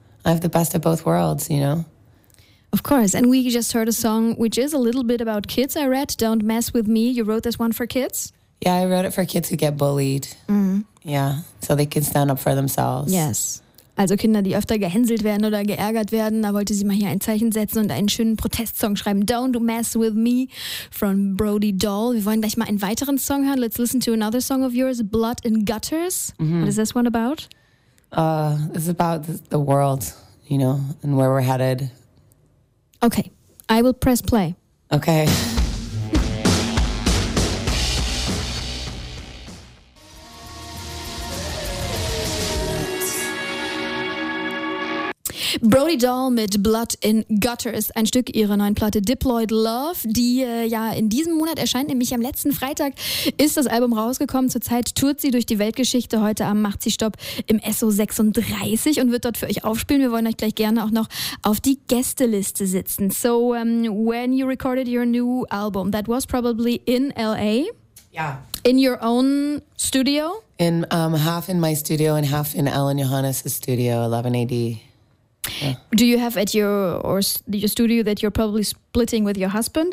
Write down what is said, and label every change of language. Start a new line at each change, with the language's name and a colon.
English: I have the best of both worlds, you know? Of course. And we just heard a song which is a little bit about kids. I read Don't Mess With Me. You wrote this one for kids? Yeah, I wrote it for kids who get bullied. Mm. Yeah, so they can stand up for themselves. Yes.
German: Also Kinder, die öfter gehänselt werden oder geärgert werden, da wollte sie mal hier ein Zeichen setzen und einen schönen Protestsong schreiben. Don't Mess With Me von Brody Doll. Wir wollen gleich mal einen weiteren Song hören.
English: Let's listen to another song of yours, Blood in Gutters. Mm-hmm. What is this one about? It's about the world, you know, and where we're headed. Okay, I will press play. Okay.
German: Brody Doll mit Blood in Gutters, ein Stück ihrer neuen Platte Diploid Love, die in diesem Monat erscheint, nämlich am letzten Freitag ist das Album rausgekommen. Zurzeit tourt sie durch die Weltgeschichte, heute Abend macht sie Stopp im SO 36 und wird dort für euch aufspielen. Wir wollen euch gleich gerne auch noch auf die Gästeliste setzen.
English: So, when you recorded your new album, that was probably in LA? Yeah. In your own studio? In half in my studio and half in Alan Johannes' studio, 11AD. Yeah. Do you have at your studio that you're probably splitting with your husband?